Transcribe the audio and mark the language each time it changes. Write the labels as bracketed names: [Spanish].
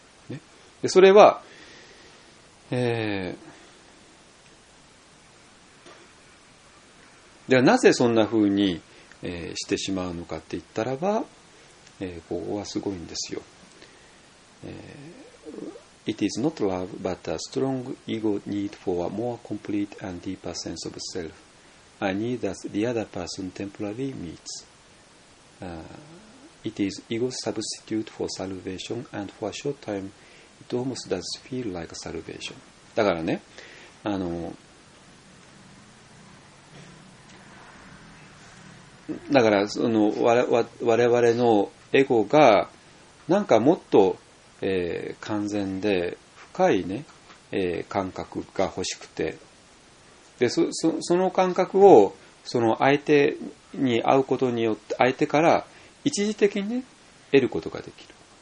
[Japanese] ね、でそれは、ではなぜそんな風に、してしまうのかって言ったらば、ここはすごいんですよ。 [English] It is not love, but a strong ego need for a more complete and deeper sense of self. A need that the other person temporarily meets. It is ego's substitute for salvation, and for a short time, it almost does feel like salvation. [Japanese] だからね、あの、だからその我々のエゴがなんかもっと完全で深いね、感覚が欲しくて、で その感覚をその相手に会うことによって、相手から一時的に、ね、得ることができる。